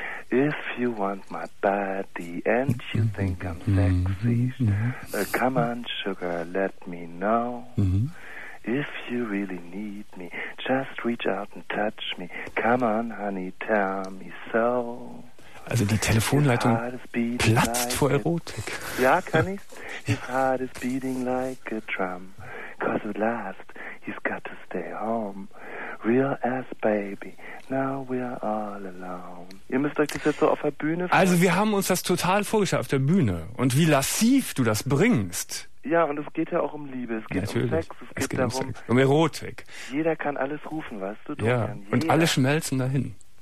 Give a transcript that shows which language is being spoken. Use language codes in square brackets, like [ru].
[en] If you want my body and you think I'm sexy, come on, sugar, let me know. If you really need me, just reach out and touch me. Come on, honey, tell me so. [de] Also die Telefonleitung platzt vor Erotik. Ja, kann ich. [en] His heart is beating like a drum. 'Cause at last he's got to stay home. Real ass baby, now we're all alone. [de] Ihr müsst euch das jetzt so auf der Bühne vorstellen. Also wir haben uns das total vorgestellt auf der Bühne. Und wie lassiv du das bringst. Ja, und es geht ja auch um Liebe, es geht natürlich um Sex, es geht darum, um Sex, um Erotik. Jeder kann alles rufen, weißt du? Ja, und alle schmelzen dahin.